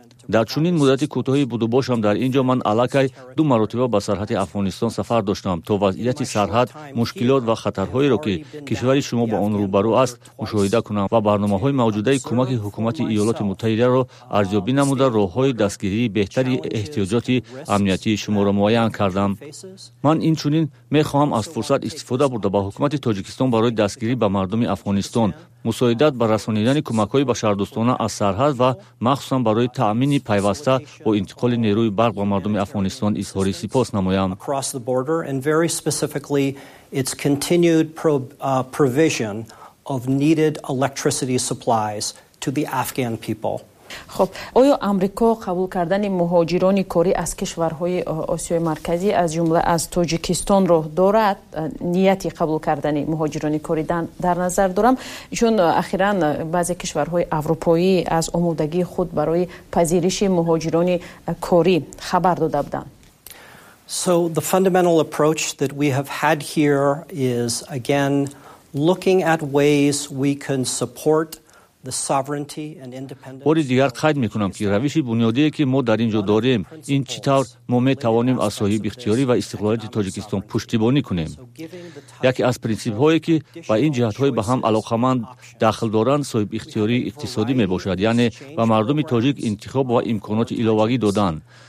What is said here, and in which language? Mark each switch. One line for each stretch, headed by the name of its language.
Persian: در چنین مدت کوتاهی بوده باشم در اینجا، من علاکای 2 مرتبه به سرحد افغانستان سفر داشتم تا وضعیت سرحد، مشکلات و خطرهایی را که کشور شما با آن روبرو است مشاهده کنم و برنامه های موجوده کمک حکومت ایالات متحده را ارزیابی نموده راه های دستگیری بهتری احتیاجات امنیتی شما را معین کردم. من این چنین می خواهم از فرصت استفاده برده به حکومت تاجیکستان برای دستگیری به مردم افغانستان، مساعدت به رسانیدن کمک های بشر دوستانه از سرحد و مخصوصا برای تامین پیوسته و انتقال نیروی برق به مردم افغانستان اظهار سپاس نمایم.
English: Across the border and very specifically its continued provision of needed electricity supplies to the Afghan people.
Persian: خب آیا آمریکا قبول کردن مهاجران کاری از کشورهای آسیای مرکزی از جمله از تاجیکستان رو دارد؟ نیت قبول کردن مهاجران کاری در نظر دارم، چون اخیرا بعضی کشورهای اروپایی از آمادگی خود برای پذیرش مهاجران کاری خبر داده بودند.
English: So the fundamental approach that we have had here is again looking at ways we can support
Persian: باری دیگر قید میکنم که رویش بنیادی که ما در اینجا داریم این چطور ما میتوانیم از صاحب اختیاری و استقلالیت تاجیکستان پشتیبانی کنیم. یکی از پرینسیپ هایی که با این جهت های به هم علاقمند دخل دارند صاحب اختیاری اقتصادی میباشد، یعنی و مردم تاجیک انتخاب و امکانات الهواگی دادن.